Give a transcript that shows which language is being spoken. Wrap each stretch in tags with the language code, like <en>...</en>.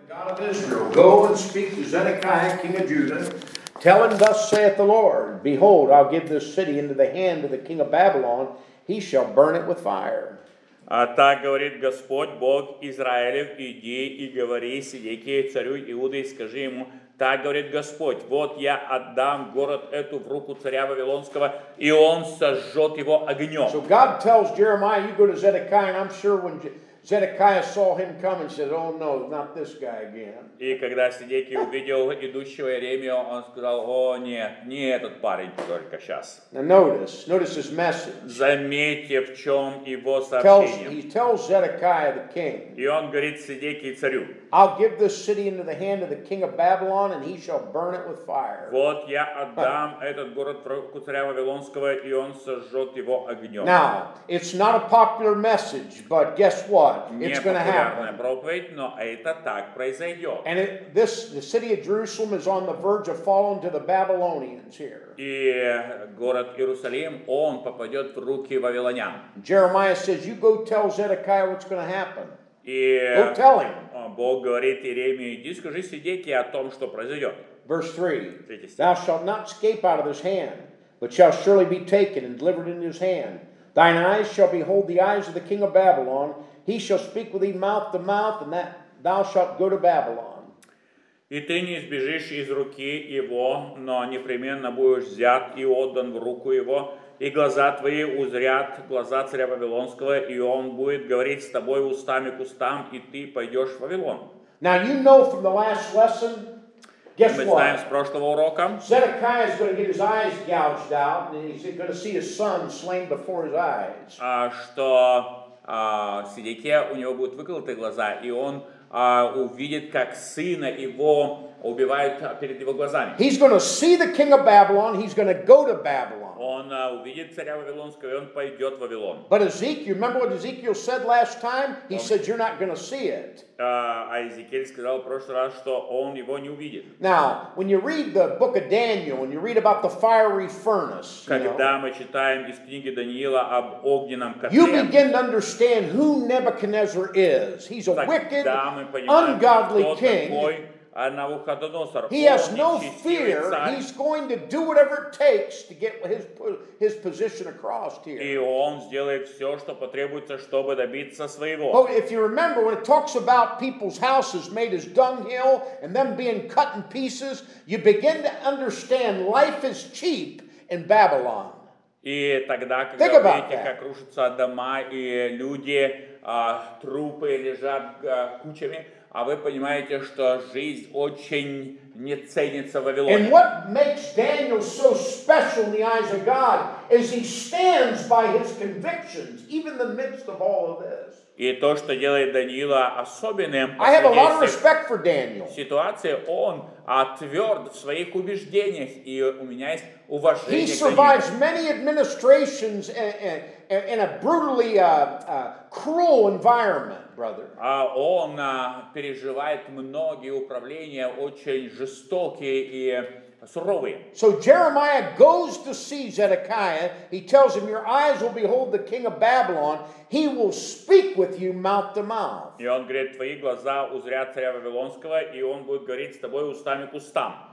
<en>God of Israel, go and speak to Zedekiah, king of Judah. Tell him, thus saith the Lord, behold, I'll give this city into the hand of the king of Babylon. He shall burn it with fire.</en> <ru>А так говорит Господь, Бог Израилев, иди и говори Сидекии, царю Иуды, и скажи ему, так говорит Господь, вот я отдам город эту в руку царя Вавилонского, и он сожжет его огнем.</ru> <en>So God tells Jeremiah, you go to Zedekiah, and I'm sure when Zedekiah saw him coming, said, oh no, not this guy again.</en> <ru>И когда Сидекия увидел идущего Иеремию, он сказал, о нет, не этот парень только сейчас.</ru> <en>Now notice his message.</en> <ru>Заметьте, в чем его сообщение.</ru> <en>He tells Zedekiah, the king.</en> <ru>И он говорит Сидекии, царю.</ru> <en>I'll give this city into the hand of the king of Babylon, and he shall burn it with fire.</en> <ru>Вот я отдам этот город в руку царя Вавилонского, и он сожжет его огнем.</ru> <en>Now, it's not a popular message, but guess what? It's going to happen.</en> <ru>Не популярная проповедь, но это так произойдет.</ru> <en>And the city of Jerusalem is on the verge of falling to the Babylonians here.</en> <ru>И город Иерусалим, он попадет в руки вавилонян.</ru> <en>Jeremiah says, "You go tell Zedekiah what's going to happen."</en> <ru>И</ru> <en>go tell him.</en> <ru>Бог говорит Иеремии, иди скажи Сидекии о том, что произойдет.</ru> <en>Verse 3. Thou shalt not escape out of his hand, but shall surely be taken and delivered into his hand. Thine eyes shall behold the eyes of the king of Babylon. He shall speak with thee mouth to mouth, and that thou shalt go to Babylon.</en> <ru>И ты не избежишь из руки его, но непременно будешь взят и отдан в руку его. И глаза твои узрят глаза царя Вавилонского, и он будет говорить с тобой устами к устам, и ты пойдешь в Вавилон.</ru> <en>Now you know from the last lesson, guess</en> <ru>Мы</ru> <en>what?</en> <ru>Знаем с прошлого урока.</ru> <en>Zedekiah is going to get his eyes gouged out, and he's going to see his son slain before his eyes.</en> <ru>Что Сидекия, у него будут выколоты глаза, и он увидит, как сына его убивают перед его глазами.</ru> <en>He's going to see the king of Babylon, he's going to go to Babylon.</en> <ru>Он увидит царя Вавилонского, и он пойдет в Вавилон.</ru> <en>But Ezekiel, remember what Ezekiel said last time? He said, you're not going to see it.</en> <ru>А Иезекииль сказал в прошлый раз, что он его не увидит.</ru> <en>Now, when you read the book of Daniel, when you read about the fiery furnace,</en> <ru>когда</ru> <en>know,</en> <ru>мы читаем из книги Даниила об огненном котле,</ru> <en>you begin to understand who Nebuchadnezzar is. He's a wicked,</en> <ru>понимаем,</ru> <en>ungodly king.</en> <ru>Такой.</ru> <en>He has no fear. He's going to do whatever it takes to get his position across here.</en> <ru>И он сделает все, что потребуется, чтобы добиться своего.</ru> <en>But if you remember, when it talks about people's houses made as dunghill and them being cut in pieces, you begin to understand life is cheap in Babylon.</en> <ru>И тогда, когда вы видите, как рушатся дома и люди, трупы лежат кучами, а вы понимаете, что жизнь очень не ценится в Вавилоне.</ru> <en>And what makes Daniel so special in the eyes of God is he stands by his convictions, even in the midst of all of this.</en> <ru>И то, что делает Даниила особенным,</ru> <en>I have a lot of respect for Daniel.</en> <ru>Ситуация, он тверд в своих убеждениях, и у меня есть уважение к Даниилу.</ru> <en>He survives many administrations in a brutally cruel environment.</en> <ru>Он переживает многие управления, очень жестокие и суровые.</ru> <en>So Jeremiah goes to see Zedekiah. He tells him, your eyes will behold the king of Babylon. He will speak with you mouth to mouth.</en> <ru>И он говорит, твои глаза узрят царя Вавилонского, и он будет говорить с тобой устами к устам.</ru>